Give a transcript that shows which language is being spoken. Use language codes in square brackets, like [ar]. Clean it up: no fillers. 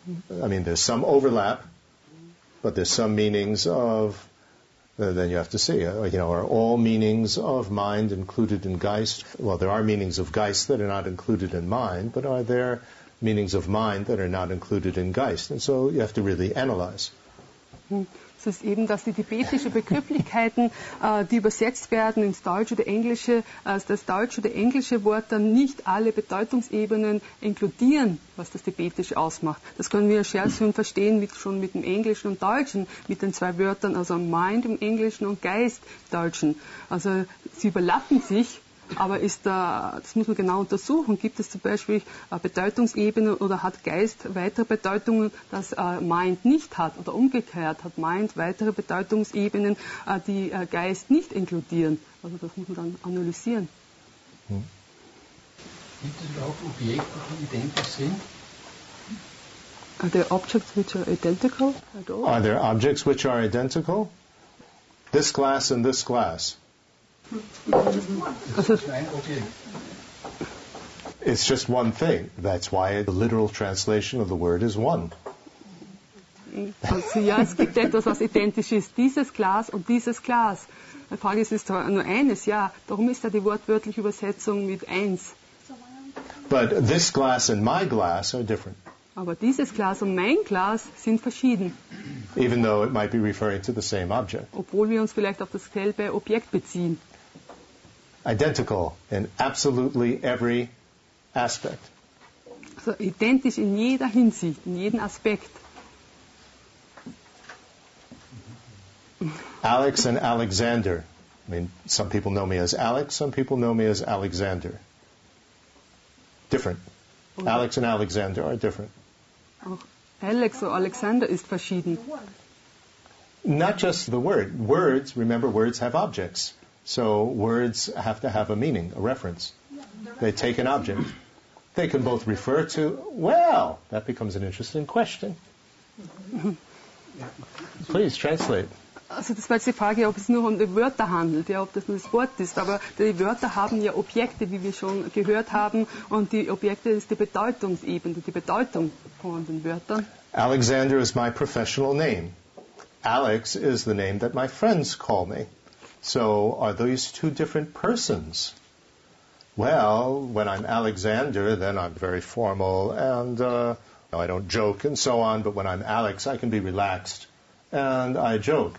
[en] I mean, there's some overlap, but there's some meanings of, then you have to see, are all meanings of mind included in Geist? Well, there are meanings of Geist that are not included in mind, but are there meanings of mind that are not included in Geist? And so you have to really analyze. [de] Es ist eben, dass die tibetischen Begrifflichkeiten, die übersetzt werden ins Deutsche oder Englische, als das deutsche oder englische Wort dann nicht alle Bedeutungsebenen inkludieren, was das Tibetische ausmacht. Das können wir sehr schön verstehen schon mit dem Englischen und Deutschen, mit den zwei Wörtern, also Mind im Englischen und Geist im Deutschen. Also sie überlappen sich, aber das muss man genau untersuchen. Gibt es zum Beispiel Bedeutungsebenen oder hat Geist weitere Bedeutungen, dass Mind nicht hat? Oder umgekehrt, hat Mind weitere Bedeutungsebenen, die Geist nicht inkludieren? Also das muss man dann analysieren. Gibt es überhaupt Objekte, die identisch sind? [en] Are there objects which are identical at all? Are there objects which are identical? This glass and this glass. It's just one thing. That's why the literal translation of the word is one. [de] Also, ja, es gibt etwas, was identisch ist. Dieses Glas und dieses Glas. Die Frage ist, ist nur eines, ja. Darum ist da die wortwörtliche Übersetzung mit eins. [en] But this glass and my glass are different. [de] Aber dieses Glas und mein Glas sind verschieden. [en] Even though it might be referring to the same object. [de] Obwohl wir uns vielleicht auf dasselbe Objekt beziehen. [en] Identical in absolutely every aspect. [de] So identisch in jeder Hinsicht, in jedem Aspekt. [en] Alex and Alexander. I mean, some people know me as Alex, some people know me as Alexander. Different. Okay. Alex and Alexander are different. [de] Auch Alex oder Alexander ist verschieden. [en] Not just the word. Words, remember, words have objects. So words have to have a meaning, a reference. They take an object. They can both refer to, well, that becomes an interesting question. Please translate. [de] Also das war jetzt die Frage, ob es nur um die Wörter handelt, ja, ob das nur das Wort ist. Aber die Wörter haben ja Objekte, wie wir schon gehört haben. Und die Objekte ist die Bedeutungsebene, die Bedeutung von den Wörtern. [en] Alexander is my professional name. Alex is the name that my friends call me. So are these two different persons? Well, when I'm Alexander, then I'm very formal and I don't joke and so on. But when I'm Alex, I can be relaxed and I joke.